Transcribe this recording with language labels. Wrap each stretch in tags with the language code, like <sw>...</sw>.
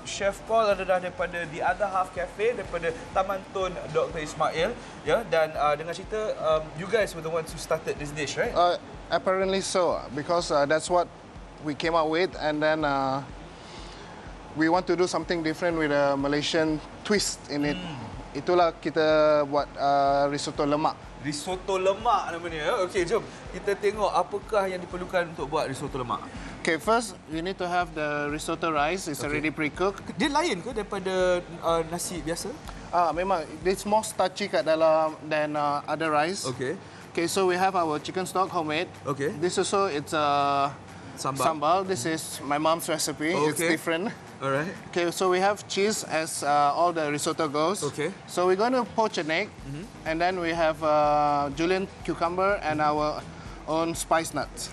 <ms>Chef Paul adalah daripada The Other Half Cafe, daripada Taman Tun Dr. Ismail.</ms> <en>Yeah,</en> <ms>dan dengan cerita,</ms> <en>you guys were the ones who started this dish, right? Apparently so, because that's what we came up with, and then we want to do something different with a Malaysian twist in it.</en> <ms>Itulah kita buat risotto lemak. Risotto lemak namanya. Okey, jom kita tengok apakah yang diperlukan untuk buat risotto lemak.</ms> <en>Okay, first you need to have the risotto rice. It's okay. Already pre-cooked.</en> <ms>Dia lain ke daripada nasi biasa?</ms> <en>Memang it's more starchy kat dalam than other rice. Okay. Okay, so we have our chicken stock homemade. Okay. This also it's a sambal. Sambal. This is my mom's recipe. Okay. It's different. All right. Okay, so we have cheese as all the risotto goes. Okay. So we're going to poach an egg, and then we have julienne cucumber and our own spice nuts.</en>